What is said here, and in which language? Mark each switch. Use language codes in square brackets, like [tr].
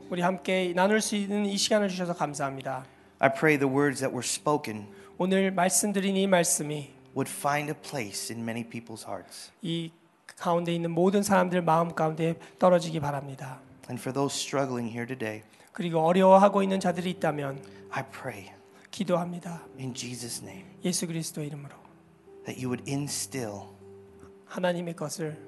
[ko] 우리 함께 나눌 수 있는 이 시간을 주셔서 감사합니다. [en] I pray the words that were spoken. [ko] 오늘 말씀드린 이 말씀이 [en] would find a place in many people's hearts. [ko] 이 가운데 있는 모든 사람들 마음 가운데 떨어지기 바랍니다. [en] And for those struggling here today. [ko] 그리고 어려워하고 있는 자들이 있다면 [en] I pray. [ko] 기도합니다. [en] In Jesus' name. [ko] 예수 그리스도 이름으로. [en] That you would instill [ko] 하나님의 것을